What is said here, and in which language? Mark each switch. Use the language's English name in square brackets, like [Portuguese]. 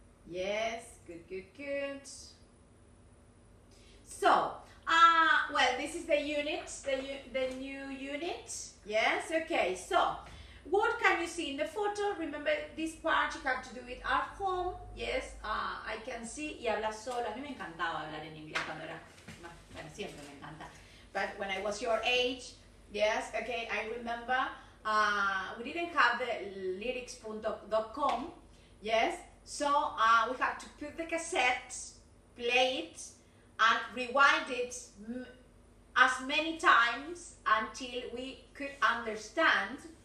[English] Yes. Good, good, good. So, well, this is the unit, the new unit. Yes? Okay. So, what can you see in the photo? Remember this part, you have to do it at home. Yes, I can see. [Spanish] Y habla sola. A mí me encantaba hablar en inglés cuando era... Bueno, siempre me encanta. [English] But when I was your age, yes, okay, I remember, we didn't have the lyrics.com, yes? So we had to put the cassette, play it, and rewind it as many times until we could understand.